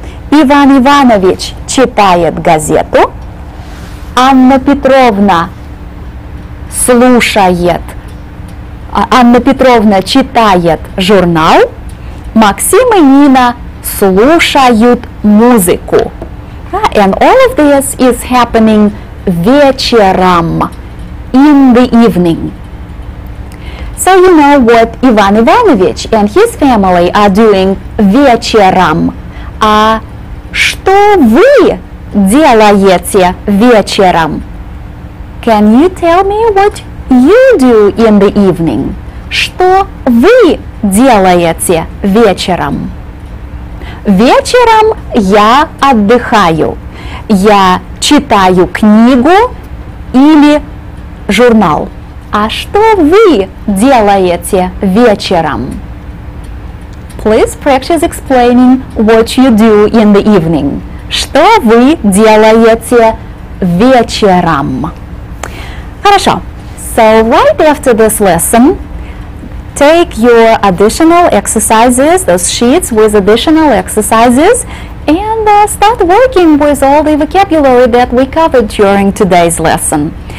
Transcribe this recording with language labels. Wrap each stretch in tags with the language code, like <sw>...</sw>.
<ru>Иван Иванович читает газету. Анна Петровна читает журнал. Максим и Нина слушают музыку.</ru> <en>And all of this is happening вечером, in the evening. So you know what Иван Иванович and his family are doing вечером.</en> <ru>А что вы делаете вечером?</ru> <en>Can you tell me what you do in the evening?</en> <ru>Что вы делаете вечером? Вечером я отдыхаю. Я читаю книгу или журнал. А что вы делаете вечером?</ru> <en>Please practice explaining what you do in the evening.</en> <ru>Что вы делаете вечером? Хорошо.</ru> <en>So right after this lesson, take your additional exercises, those sheets with additional exercises, and start working with all the vocabulary that we covered during today's lesson.</en>